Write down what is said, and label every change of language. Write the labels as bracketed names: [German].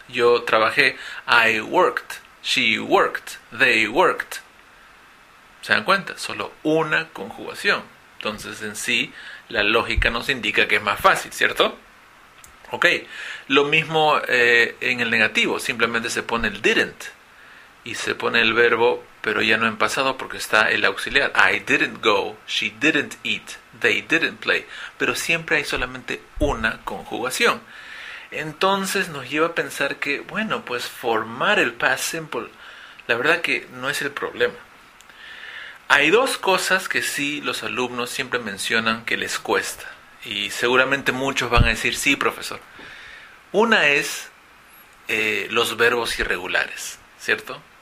[Spanish] Yo trabajé, [English] I worked, she worked, they worked. [Spanish] ¿Se dan cuenta? Solo una conjugación. Entonces en sí, la lógica nos indica que es más fácil, ¿cierto? Ok, lo mismo en el negativo. Simplemente se pone el didn't. Y se pone el verbo, pero ya no en pasado porque está el auxiliar. [English] I didn't go, she didn't eat, they didn't play. [Spanish] Pero siempre hay solamente una conjugación. Entonces nos lleva a pensar que, bueno, pues formar el past simple, la verdad que no es el problema. Hay dos cosas que sí los alumnos siempre mencionan que les cuesta. Y seguramente muchos van a decir, sí, profesor. Una es los verbos irregulares. ¿Cierto?